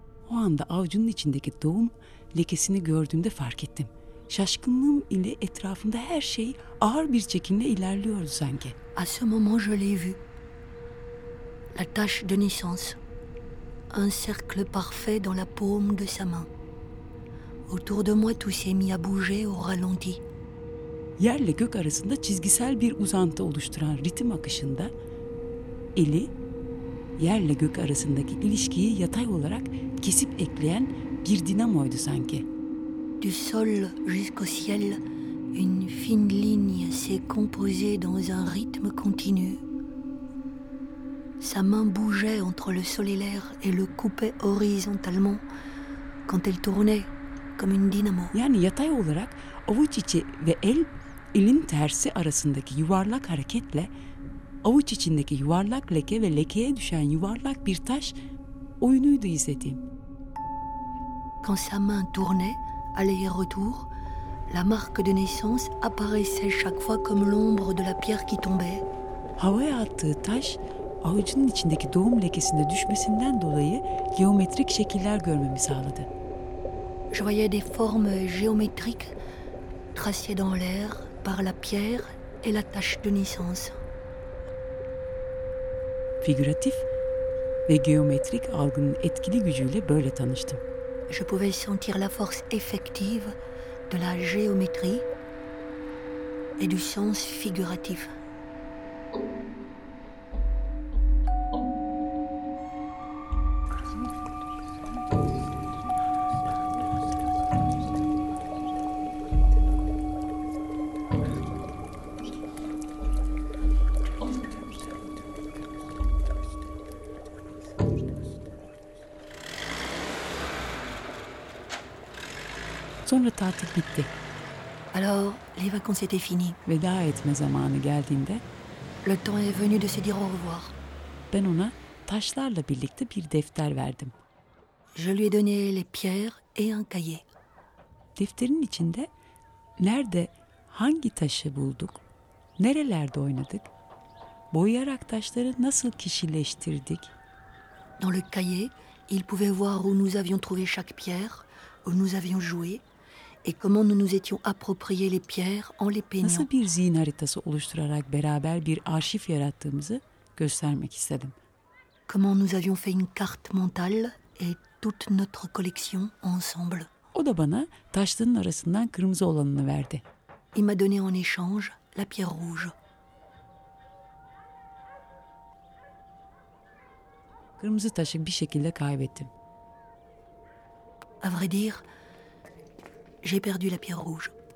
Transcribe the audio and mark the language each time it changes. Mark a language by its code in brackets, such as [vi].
[tr] O anda avucunun içindeki doğum lekesini gördüğümde fark ettim. Şaşkınlığım ile etrafımda her şey ağır bir çekimle ilerliyordu sanki. [fr] À ce moment je l'ai vu. La tache de naissance. Un cercle parfait dans la paume de sa main. Autour de moi tout s'est mis à bouger au ralenti. [tr] yerle gök arasında çizgisel bir uzantı oluşturan ritim akışında eli yerle gök arasındaki ilişkiyi yatay olarak kesip ekleyen bir dinamoydu sanki. [fr] Du sol jusqu'au ciel, une fine ligne s'est composée dans un rythme continu. Sa main bougeait entre le sol et l'air et le coupait horizontalement quand elle tournait comme une dynamo. [tr] Yani yatay olarak avuç içi ve elin tersi arasındaki yuvarlak hareketle avuç içindeki yuvarlak leke ve lekeye düşen yuvarlak bir taş oyunuydu izlediğim. [fr] Quand sa main tournait, aller et retour, la marque de naissance apparaissait chaque fois comme l'ombre de la pierre qui tombait. [tr] Havaya attığı taş avucunun içindeki doğum lekesinde düşmesinden dolayı geometrik şekiller görmemi sağladı. [fr] Je voyais des formes géométriques tracées dans l'air par la pierre et la tache de naissance. [tr] Figüratif ve geometrik algının etkili gücüyle böyle tanıştım. [fr] Je pouvais sentir la force effective de la géométrie et du sens figuratif. [tr] Sonra tatil bitti. [fr] Alors, les vacances étaient finies. [tr] Veda etme zamanı geldiğinde, [fr] le temps est venu de se dire au revoir. [tr] Ben ona taşlarla birlikte bir defter verdim. [fr] Je lui ai donné les pierres et un cahier. [tr] Defterin içinde nerede hangi taşı bulduk, nerelerde oynadık, boyayarak taşları nasıl kişileştirdik. [fr] Dans le cahier, il pouvait voir où nous avions trouvé chaque pierre, où nous avions joué. Et comment nous nous étions approprié les pierres en les peignant. [tr] Nasıl bir zihin haritası oluşturarak beraber bir arşiv yarattığımızı göstermek istedim. [fr] Comment nous avions fait une carte mentale et toute notre collection ensemble. [tr] O da bana taşların arasından kırmızı olanını verdi. [fr] Il m'a donné en échange la pierre rouge. [tr] Kırmızı taşı bir şekilde kaybettim. [fr] À vrai dire, j'ai perdu la pierre rouge.